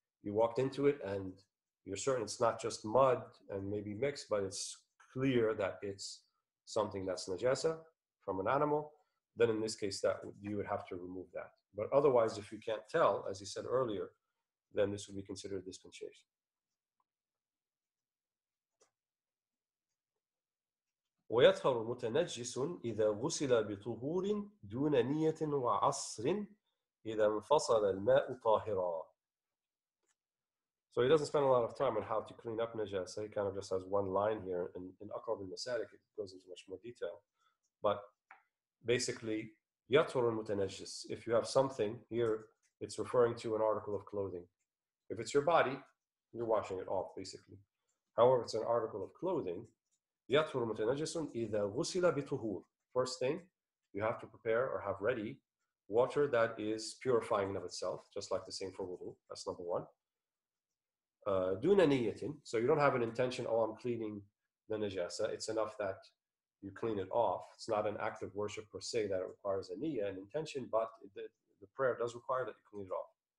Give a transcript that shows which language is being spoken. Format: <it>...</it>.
<en>You walked into it and you're certain it's not just mud and maybe mixed, but it's clear that it's something that's najasa from an animal. Then in this case, that you would have to remove that. But otherwise, if you can't tell, as you said earlier, then this would be considered dispensation.</en> <ar>ويطهر متنجس إذا غسل بطهور دون نية وعصر إذا انفصل الماء طاهرا.</ar> <en>So he doesn't spend a lot of time on how to clean up najasa. He kind of just has one line here in أقرب المسالك. It goes into much more detail. But basically,</en> <ar>يطهر متنجس.</ar> <en>If you have something here, it's referring to an article of clothing. If it's your body, you're washing it off, basically. However, it's an article of clothing.</en> <ar>يطهر متنجس إذا غسل بطهور.</ar> <en>First thing, you have to prepare or have ready water that is purifying of itself, just like the same for wudu. That's number one.</en> <ar>دون نيتين.</ar> <en>So you don't have an intention, oh, I'm cleaning the najasa. It's enough that you clean it off. It's not an act of worship per se that it requires a niyya, an intention, but the prayer does require that you clean it off.</en>